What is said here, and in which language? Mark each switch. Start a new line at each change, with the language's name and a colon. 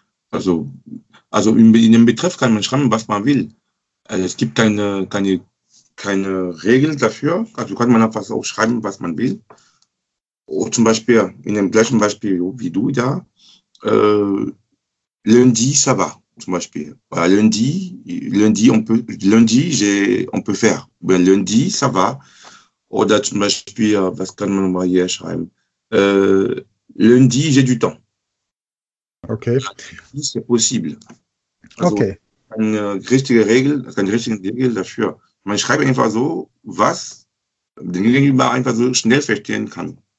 German: Also in dem Betreff kann man schreiben, was man will. Also es gibt keine Regel dafür. Also kann man einfach auch schreiben, was man will. Oder zum Beispiel, in dem gleichen Beispiel wie du da,
French: lundi, ça va,
German: zum Beispiel.
French: Oder lundi, on peut faire. Mais lundi, ça va.
German: Oder zum Beispiel, was kann man mal hier schreiben?
French: Lundi, j'ai du temps.
German: Okay.
French: C'est possible.
German: Also, okay. Eine richtige Regel dafür. Man schreibt einfach so, was den Gegenüber einfach so schnell verstehen kann.